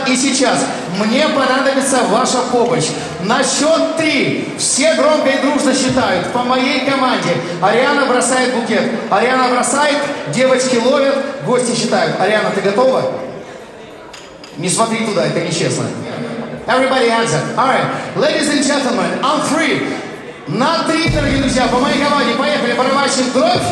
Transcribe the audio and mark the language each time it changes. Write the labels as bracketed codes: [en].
[ru] И сейчас мне понадобится ваша помощь. На счет три все громко и дружно считают. По моей команде Ариана бросает букет. Ариана бросает, девочки ловят, гости считают. Ариана, ты готова? Не смотри туда, это нечестно. [en] Everybody answer. All right. Ladies and gentlemen, on three. [ru] На три, дорогие друзья, по моей команде. Поехали, барабанщик, дробь.